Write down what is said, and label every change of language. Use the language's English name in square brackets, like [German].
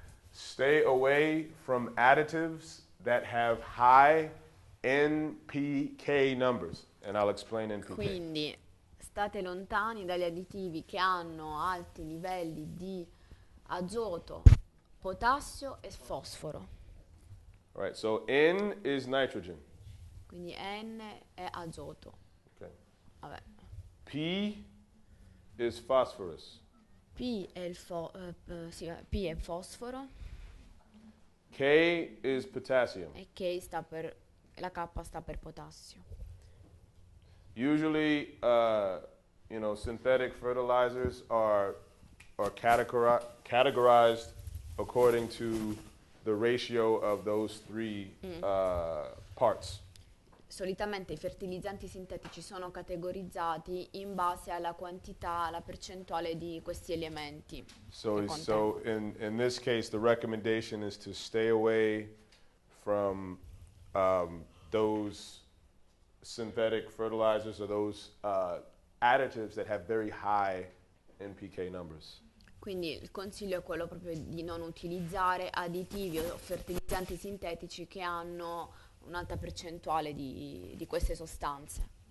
[English] Stay away from additives that have high NPK numbers, and I'll explain NPK. [Italian] Quindi state lontani dagli additivi che hanno alti livelli di azoto, potassio e fosforo. [English] All right, so N is nitrogen. [Italian] Quindi N è azoto. Vabbè. [English] P is phosphorus. [Italian] P è fosforo. [English] K is potassium. [Italian] E la K sta per potassio. [English] Usually, you know, synthetic fertilizers are are categorized according to the ratio of those three parts. [Italian] Solitamente i fertilizzanti sintetici sono categorizzati in base alla quantità, alla percentuale di questi elementi. [English] So in this case the recommendation is to stay away from those synthetic fertilizers or those additives that have very high NPK numbers. [Italian] Quindi il consiglio è quello proprio di non utilizzare additivi o fertilizzanti sintetici che hanno un'alta percentuale di queste sostanze.